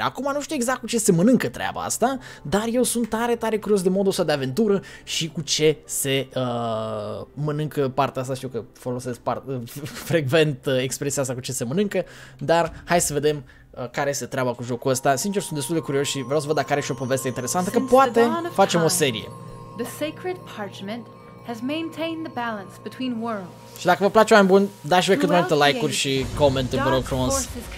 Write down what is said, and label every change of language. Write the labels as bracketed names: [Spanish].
[Romanian] Acum nu știu exact cu ce se mănâncă treaba asta, dar eu sunt tare, tare curios de modul ăsta de aventură și cu ce se mănâncă partea asta. Știu că folosesc frecvent expresia asta cu ce se mănâncă, dar hai să vedem care este treaba cu jocul ăsta. Sincer, sunt destul de curios și vreau să văd dacă are și o poveste interesantă, că poate facem o serie. [English] The Sacred Parchment has maintained the balance between worlds. [Romanian] Și dacă vă place oameni buni, dați-vă cât mai multe like-uri și comente, vă rog frumos.